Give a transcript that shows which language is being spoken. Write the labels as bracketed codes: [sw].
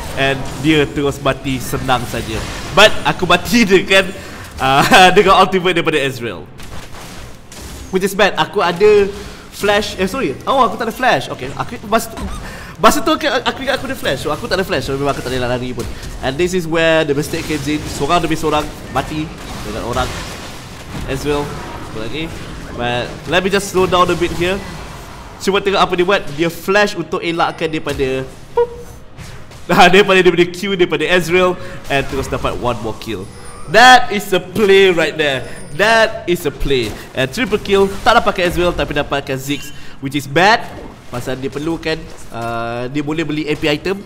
[ms] And dia terus mati senang saja. But aku mati dia kan dengan ultimate daripada Ezreal, [en] which is bad. [ms] Aku ada flash. Eh sorry. Oh aku tak ada flash. Okay. Aku masa tu aku ingat aku ada flash. So aku tak ada flash. So memang aku tak boleh lari pun. [en] And this is where the mistake comes in. [ms] Seorang demi seorang mati dengan orang [en] as well. [ms] Apa lagi? [en] But let me just slow down a bit here. [ms] Cuba tengok apa dia buat. Dia flash untuk elakkan daripada daripada Q, daripada Ezreal, and terus dapat [en] one more kill. That is a play right there. That is a play. And triple kill. [ms] Tak dapatkan Ezreal tapi dapatkan Ziggs, [en] which is bad. [ms] Pasal dia perlukan dia boleh beli AP item.